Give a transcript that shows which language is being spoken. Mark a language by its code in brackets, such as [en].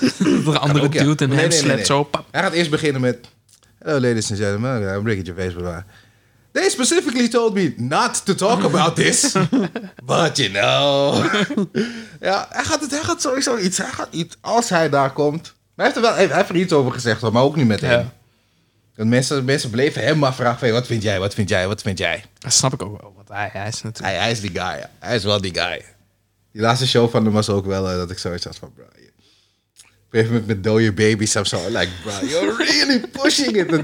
[nl] Dat er een andere ook, dude in hem slept zo. Pap. Hij gaat eerst beginnen met, [en] hello ladies and gentlemen, I'm Ricky Gervais, blah. They specifically told me not to talk about this. But you know. [nl] Ja, hij gaat sowieso iets. Hij gaat iets als hij daar komt. Maar hij heeft er iets over gezegd, maar ook niet met hem. Want mensen bleven hem maar vragen van, wat vind jij? Dat snap ik ook wel. Want hij is natuurlijk... Hij is die guy. Ja. Hij is wel die guy. Die laatste show van hem was ook wel dat ik zoiets had van, bro. Even met dode baby's of zo. [en] Like, bro, you're really pushing it.